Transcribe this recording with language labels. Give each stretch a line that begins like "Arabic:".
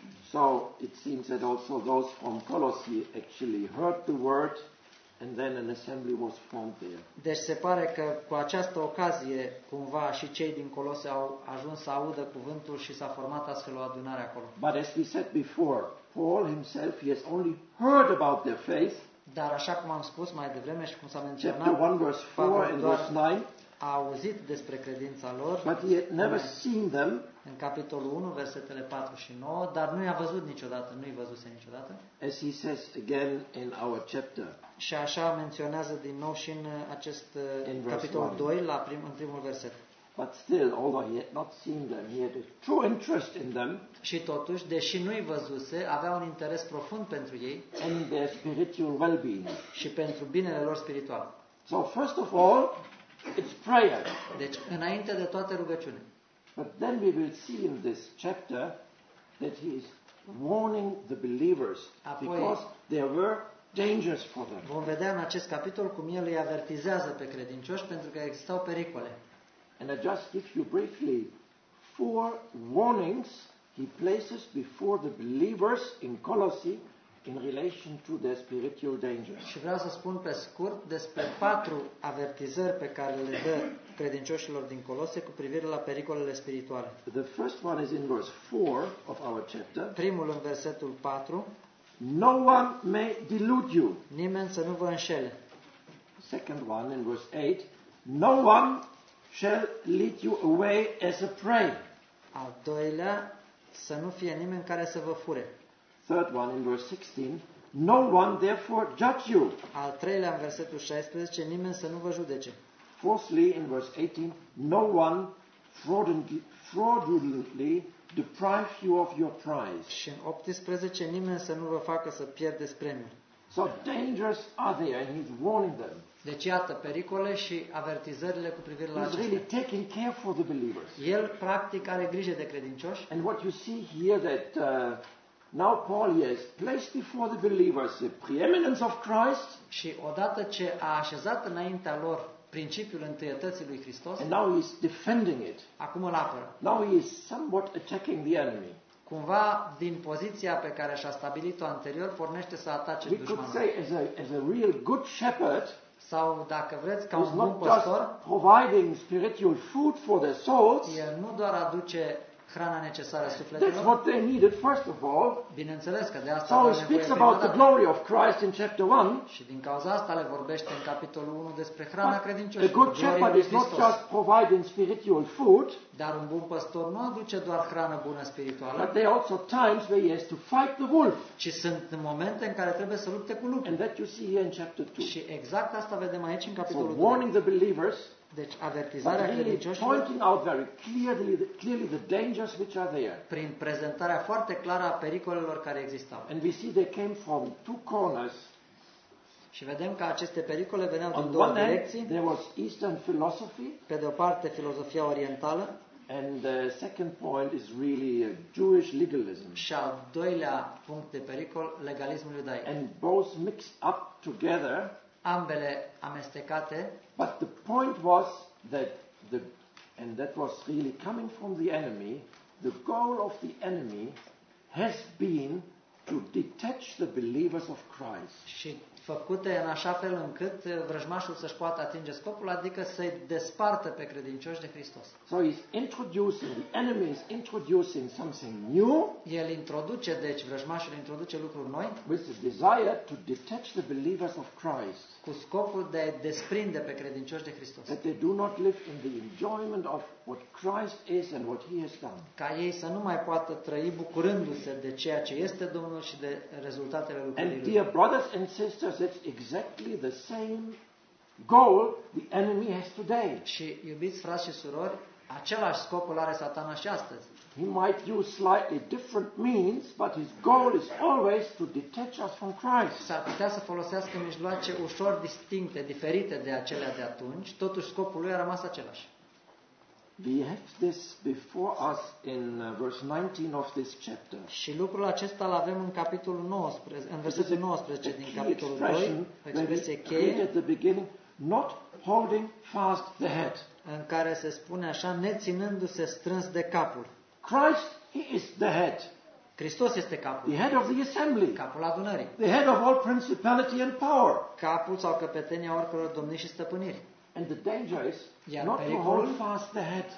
English: So it seems that also those from Colossae actually heard the word and then an assembly was formed there.
Romanian: Deci se pare că cu această ocazie cumva și cei din Colose au ajuns să audă cuvântul și s-a format astfel o adunare acolo.
English: But as we said before, Paul himself, he has only heard about their faith.
Romanian: Dar așa cum am spus mai devreme și cum s-a menționat,
English: chapter 1 verse 4 and verse 9,
Romanian: a auzit despre credința lor,
English: but he had never seen them.
Romanian: În capitolul 1, versetele 4 și 9, dar nu i-a văzut niciodată, nu i-a văzut niciodată.
English: As he says again in our chapter.
Romanian: Și așa menționează din nou și în acest capitol 2, în primul verset.
English: But still, although he had not seen them, he had a true interest in them.
Romanian: Și totuși, deși nu i-a văzuse, avea un interes profund pentru ei.
English: And their spiritual well-being.
Romanian: Și pentru binele lor spiritual.
English: So first of all, it's prayer.
Romanian: Deci, înainte de toate rugăciune.
English: But then we will see in this chapter that he is warning the believers.
Romanian: Apoi,
English: because there were dangers for them.
Romanian: Vom vedea în acest capitol cum el îi avertizează pe credincioși pentru că existau pericole.
English: And I just give you briefly four warnings he places before the believers in Colossae in relation to their spiritual danger.
Romanian: Și vreau să spun pe scurt despre patru avertizări pe care le dă credincioșilor din Colose cu privire la pericolele spirituale.
English: The first one is in verse 4 of our chapter.
Romanian: Primul în versetul 4.
English: No one may delude you.
Romanian: Nimeni să nu vă înșele.
English: Second one in verse 8. No one shall lead you away as a prey.
Romanian: Al doilea, să nu fie nimeni care să vă fure.
English: Third one in verse 16. No one therefore judge you.
Romanian: Al treilea, în versetul 16, nimeni să nu vă judece.
English: Fourthly in verse 18. No one fraudulently deprive you of your prize.
Romanian: Și în 18, nimeni să nu vă facă să pierdeți premiul.
English: So dangers are there and he's warning them.
Romanian: Deci iată pericole și avertizările cu privire la acestea.
English: Really taking care for the believers.
Romanian: El practic are grijă de credincioși.
English: And what you see here that now Paul has placed before the believers the preeminence of Christ.
Romanian: Și odată ce a așezat înaintea lor principiul întâietății lui Hristos.
English: And now he's defending it.
Romanian: Acum îl apără.
English: Now he is somewhat attacking the enemy.
Romanian: Cumva din poziția pe care și-a stabilit-o anterior pornește să atace dușmanul.
English: We could say as a real good shepherd.
Romanian: Sau dacă vreți ca un bun păstor,
English: providing spiritual food for their souls,
Romanian: el nu doar aduce hrana necesară sufletelor.
English: That's what they needed first of all.
Romanian: Bineînțeles că de asta
English: so speaks about the glory of Christ in chapter 1.
Romanian: Și din cauza asta le vorbește în capitolul 1 despre hrana credincioșilor.
English: A good shepherd is not just providing spiritual food.
Romanian: Dar un bun păstor nu aduce doar hrană bună spirituală.
English: But there are also times where he has to fight the wolf.
Romanian: Ci sunt momente în care trebuie să lupte cu lupul.
English: And that you see here in chapter 2.
Romanian: Și exact asta vedem aici în capitolul 2.
English: So warning the believers.
Romanian: Deci avertizarea credincioșilor,
English: pointing out very clearly the dangers which are there.
Romanian: Prin prezentarea foarte clară a pericolelor care existau.
English: And we see they came from two corners.
Romanian: Și vedem că aceste pericole veneau din două direcții.
English: There was Eastern philosophy.
Romanian: Pe de o parte filozofia orientală.
English: And the second point is really a Jewish legalism.
Romanian: Și al doilea punct de pericol, legalismul iudaic.
English: And both mixed up together.
Romanian: Ambele amestecate.
English: But the point was that and that was really coming from the enemy, the goal of the enemy has been to detach the believers of Christ.
Romanian: Și făcute în așa fel încât vrăjmașul să-și poată atinge scopul, adică să-i despartă pe credincioși de Hristos.
English: So he's introducing, the enemy is introducing something new.
Romanian: El introduce, deci vrăjmașul introduce lucruri noi.
English: With the desire to detach the believers of Christ.
Romanian: Cu scopul de a-i desprinde pe credincioși de Hristos.
English: That they do not live in the enjoyment of what Christ is and what he has done.
Romanian: Ca ei să nu mai poată trăi bucurându-se de ceea ce este Domnul și de rezultatele lucrurilor.
English: And dear brothers and sisters, it's exactly the same goal the enemy has today.
Romanian: Și iubiți frați și surori, același scopul are Satana și astăzi.
English: He might use slightly different means, but his goal is always to detach us from Christ.
Romanian: S-ar putea să folosească mijloace ușor distincte, diferite de acelea de atunci, totuși scopul lui a rămas același.
English: We have this before us in verse 19 of this chapter.
Romanian: Și lucrul acesta îl avem în capitolul 19, în versetul 19 din capitolul 2, expresie cheie,
English: at the beginning, not holding fast the head.
Romanian: În care se spune așa, neținându-se strâns de capul.
English: Christ, he is the head.
Romanian: Hristos este capul.
English: The head of the assembly.
Romanian: Capul adunării.
English: The head of all principality and power.
Romanian: Capul sau căpetenia oricăror domnii și stăpâniri.
English: And the danger is not to hold fast the head.